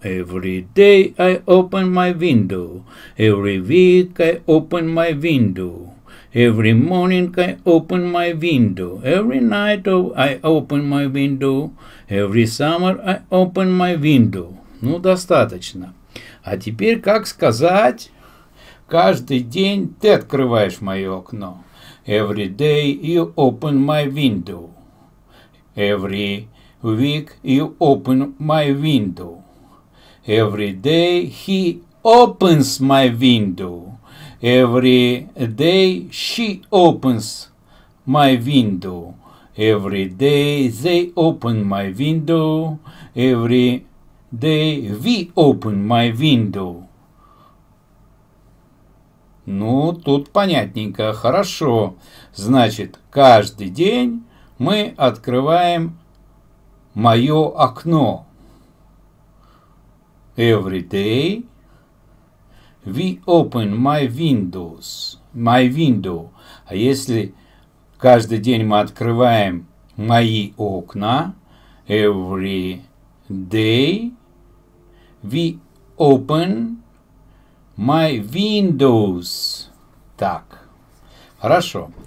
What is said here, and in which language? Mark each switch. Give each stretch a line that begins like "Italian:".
English: Every day I open my window. Every week I open my window. Every morning I open my window. Every night I open my window. Every summer I open my window.
Russian: Ну, достаточно. А теперь как сказать? Каждый день ты открываешь мое окно.
English: Every day you open my window. Every week you open my window. Every day he opens my window. Every day she opens my window. Every day they open my window. Every day we open my window.
Russian: Ну, тут понятненько, хорошо. Значит, каждый день мы открываем мое окно.
English: Every day we open my windows. My window.
Russian: А если каждый день мы открываем мои окна,
English: every day we open my windows.
Russian: Так. Хорошо.